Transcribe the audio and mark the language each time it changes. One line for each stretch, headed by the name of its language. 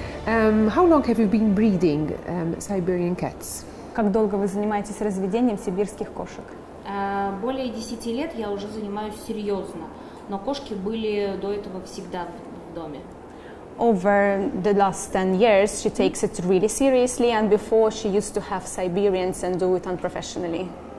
English: How long have you been breeding Siberian cats?
Russian: Как долго вы занимаетесь разведением сибирских кошек? Более 10 лет я уже занимаюсь серьезно, но кошки были до этого всегда в доме.
English: Over the last 10 years she takes it really seriously and before she used to have Siberians and do it unprofessionally.